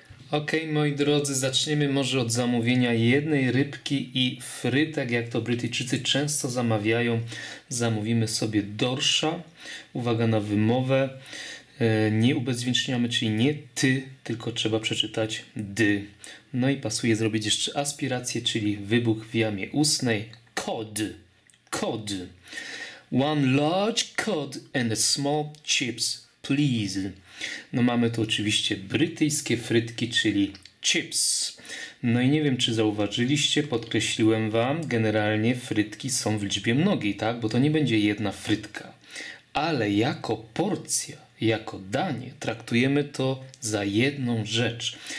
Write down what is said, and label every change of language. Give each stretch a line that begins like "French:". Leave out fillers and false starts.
Polish: Okej, moi drodzy, zaczniemy może od zamówienia jednej rybki i frytek, jak to Brytyjczycy często zamawiają. Zamówimy sobie dorsza. Uwaga na wymowę. Nie ubezwieczniamy, czyli nie ty, tylko trzeba przeczytać dy. No i pasuje zrobić jeszcze aspirację, czyli wybuch w jamie ustnej.
English: Cod. Cod. One large cod and a small chips, please.
Polish: No mamy tu oczywiście brytyjskie frytki, czyli chips. No i nie wiem, czy zauważyliście, podkreśliłem wam, generalnie frytki są w liczbie mnogiej, tak? Bo to nie będzie jedna frytka. Ale jako porcja, jako danie, traktujemy to za jedną rzecz.